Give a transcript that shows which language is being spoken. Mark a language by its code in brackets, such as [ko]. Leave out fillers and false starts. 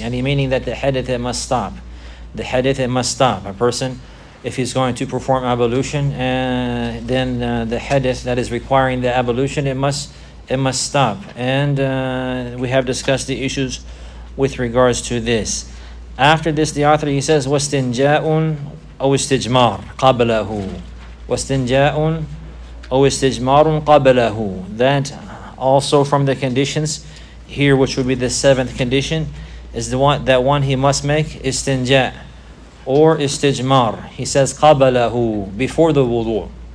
[en] And meaning that the hadith, it must stop. The hadith, it must stop. A person, if he's going to perform ablution, then the hadith that is requiring the ablution, it must stop. And we have discussed the issues with regards to this. After this, the author, he says, [ar] وَاسْتِنْجَاءٌ أَوْ اِسْتِجْمَارٌ قَبْلَهُ وَاسْتِنْجَاءٌ أَوْ اِسْتِجْمَارٌ قَبْلَهُ. [en] That also from the conditions here, which would be the seventh condition, is the one that one he must make istinja or istijmar. He says qabalahu, before the wudu.